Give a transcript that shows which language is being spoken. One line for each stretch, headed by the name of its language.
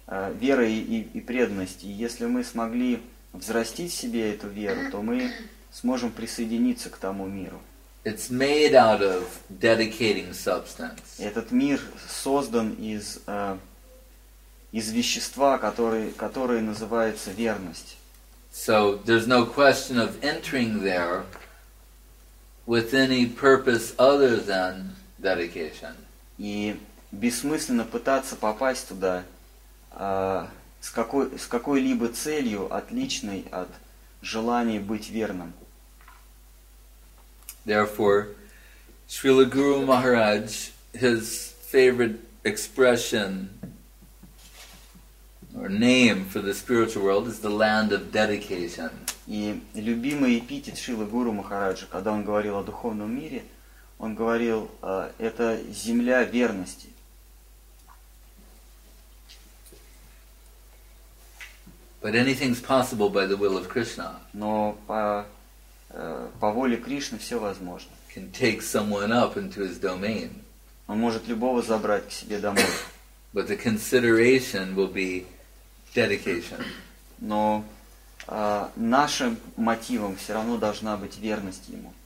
Russian: И вера и преданность. И если мы смогли взрастить в себе эту веру, то мы сможем присоединиться к тому миру.
English: It's made out of dedicating substance.
Russian: Этот мир создан из вещества, которое называется верность.
English: So there's no question of entering there with any purpose other than dedication.
Russian: И бессмысленно пытаться попасть туда с какой-либо целью, отличной от желания быть верным.
English: Therefore, Srila Guru Maharaj, his favorite expression or name for the spiritual world is the land of dedication.
Russian: И любимый эпитет Шрилы Гуру Махараджа, когда он говорил о духовном мире, он говорил, это земля верности.
English: But anything's possible by the will of Krishna.
Russian: Но по воле Кришны все возможно.
English: Can take someone up into his domain.
Russian: Он может любого забрать к себе домой.
English: But the consideration will be dedication.
Russian: Но нашим мотивом все равно должна быть верность ему.